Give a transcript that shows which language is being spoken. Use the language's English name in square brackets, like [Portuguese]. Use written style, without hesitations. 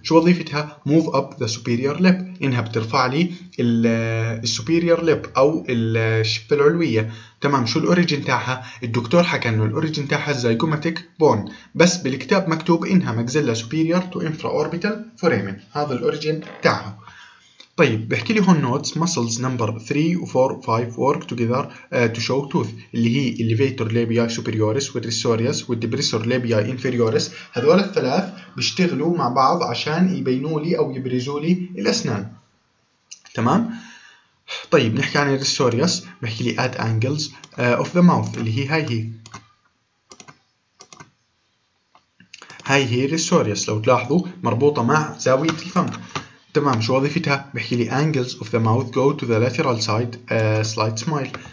[Arabic] شو وظيفتها؟ [English] move up the superior lip [Arabic] إنها بترفع لي الـ superior lip أو الشفة العلوية، تمام؟ شو الأوريجين تاعها؟ الدكتور حكى إنه الأوريجين تاعها زيجوماتيك بون بس بالكتاب مكتوب إنها مجزلة [English] superior to infraorbital foramen [Arabic] هذا الأوريجين تاعها. طيب بحكي لي هون نوتس [English] muscles number 3 و 4 5 work together to show tooth [Arabic] اللي هي [English] elevator labia superioris والresorius والdepressor labia inferioris. [Arabic] هذول الثلاث بيشتغلوا مع بعض عشان يبينوا لي او يبرزوا لي الاسنان، تمام؟ طيب نحكي عن الresorius. بحكي لي [English] at angles of the mouth [Arabic] اللي هي هاي هي هاي هي الresorius لو تلاحظوا مربوطة مع زاوية الفم، تمام؟ شو وظيفتها؟ بحكي لي [English] angles of the mouth go to the lateral side slight smile.